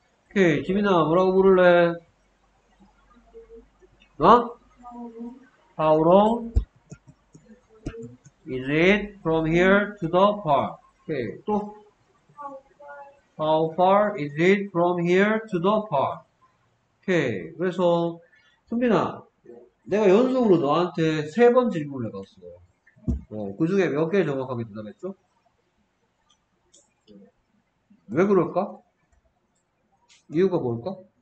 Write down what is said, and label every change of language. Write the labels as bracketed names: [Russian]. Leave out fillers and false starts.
[Korean] 오케이, 지민아, 뭐라고 부를래? 어? [English] How long is it from here to the park? [Korean] 오케이, 또. [English] How far is it from here to the park? [Korean] 오케이, 그래서, 순빈아, 내가 연속으로 너한테 세번 질문을 해봤어. 그 중에 몇개 정확하게 대답했죠? 왜 그럴까? 이유가 뭘까?